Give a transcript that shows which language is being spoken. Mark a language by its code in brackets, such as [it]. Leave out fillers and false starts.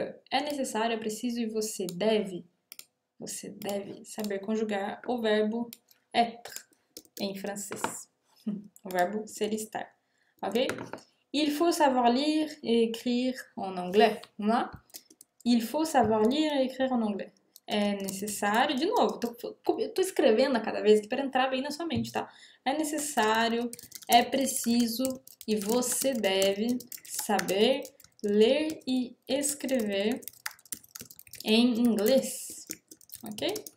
[pt] É necessário, é preciso e você deve saber conjugar o verbo être em francês. O verbo ser, estar, ok? [fr] Il faut savoir lire et écrire en anglais, [pt] não é? [fr] Il faut savoir lire et écrire en anglais. [pt] É necessário, de novo, tô escrevendo a cada vez aqui para entrar bem na sua mente, tá? É necessário, é preciso e você deve saber ler e escrever em inglês, ok?